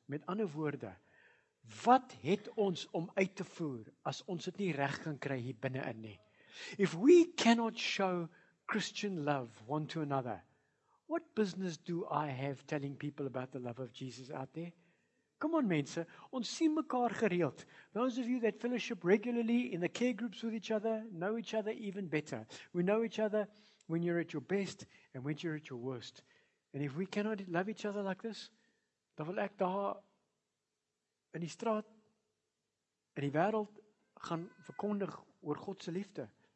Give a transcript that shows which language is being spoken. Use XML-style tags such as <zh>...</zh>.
<af>Met ander woorde, wat het ons om uit te voer as ons het nie reg kan kry hier binne-in nie? If we cannot show Christian love one to another,</af> <en>what business do I have telling people about the love of Jesus out there? Come on, mensen. Ons sien mekaar gereeld. Those of you that fellowship regularly in the care groups with each other, know each other even better. We know each other when you're at your best and when you're at your worst.</en> <af>And if we cannot love each other like this, dan wil ek daar in die straat, in die wêreld, gaan verkondig oor God se liefde.</af>